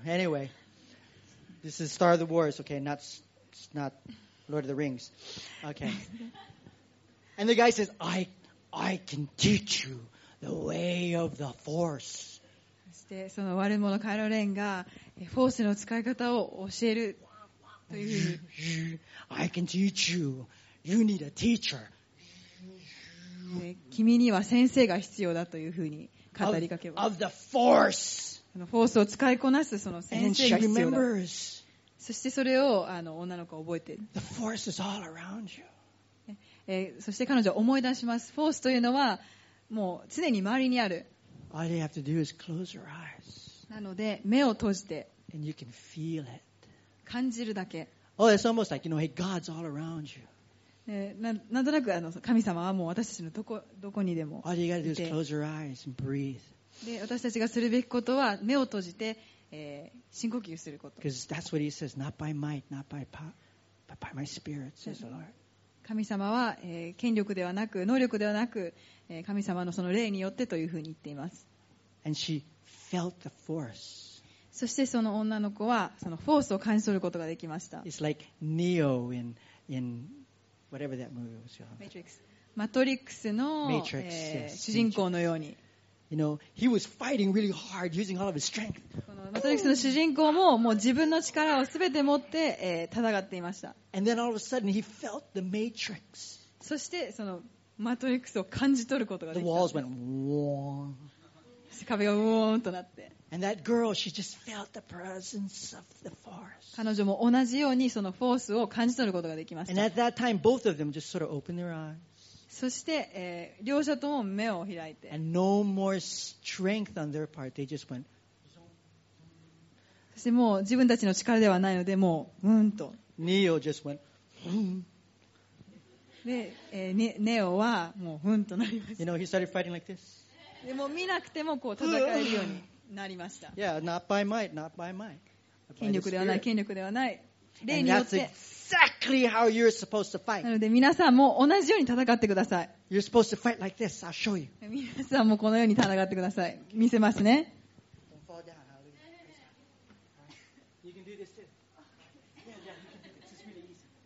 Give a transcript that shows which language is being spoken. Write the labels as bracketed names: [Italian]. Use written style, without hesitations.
[English] Anyway, this is Star of the Wars, okay? Not Lord of the Rings. Okay. And the guy says, I can teach you the way of the force. [Japanese] そしてその悪者カイロレンがフォースの使い方を教えるというふうに。 [English] I can teach you. You need a teacher. [Japanese] 君には先生が必要だというふうに語りかけます。 [English] Of the force. [Japanese] そのフォースを使いこなすその先生が必要だ。そしてそれを女の子は覚えて。 [English] The force is all around you. [Japanese] そして彼女は思い出します。フォースというのはもう常に周りにある。 [English] All you have to do is close your eyes. [Japanese] なので目を閉じて [English] And you can feel it. [Japanese] 感じるだけ。 [English] Oh, it's almost like, you know, hey, God's all around you. [Japanese] なんとなく神様はもう私たちのどこにでも [English] All you gotta do is close your eyes and breathe. [Japanese] で私たちがするべきことは目を閉じて、深呼吸すること。 [English] Because that's what he says, not by might, not by power, but by my spirit, says the Lord. [Japanese] 神様は、権力ではなく能力ではなく、神様のその霊によってというふうに言っています。 [English] And she felt the force. [Japanese] そしてその女の子はそのフォースを感じ取ることができました。 [English] It's like Neo in whatever that movie was called. [Japanese] Matrix. マトリックスの [English] Matrix,、 [Japanese] 主人公のように。 [English] You know, he was fighting really hard, using all of his strength. [Japanese] マトリックスの主人公ももう自分の力をすべて持って、戦っていました。 [English] And then all of a sudden he felt the Matrix. [Japanese] そしてそのマトリックスを感じ取ることができた。 [English] The walls went warm. [Japanese] 壁がウォーンとなって。 [English] And that girl, she just felt the presence of the force. [Japanese] 彼女も同じようにそのフォースを感じ取ることができました。 [English] And at that time, both of them just sort of opened their eyes. [Japanese] そして、両者とも目を開いて、 [English] no、more strength on their part. They just went... [Japanese] そしてもう自分たちの力ではないのでもううんと [English] ネオ just went...、 [Japanese] で、ネオはもううんとなりました。 [English] You know, he started fighting like this. [Japanese] でも見なくてもこう戦えるようになりました。 [English] Yeah, not by might, not by might. [Japanese] 権力ではない、権力ではない、霊によって。 [English] And that's exactly how you're supposed to fight. [Japanese] なので皆さんも同じように戦ってください。 [English] You're supposed to fight like this. I'll show you. [Japanese] 皆さんもこのように戦ってください。見せますね。 [English] Don't fall down. You can do this too. Yeah, yeah, you can do this. It's really easy.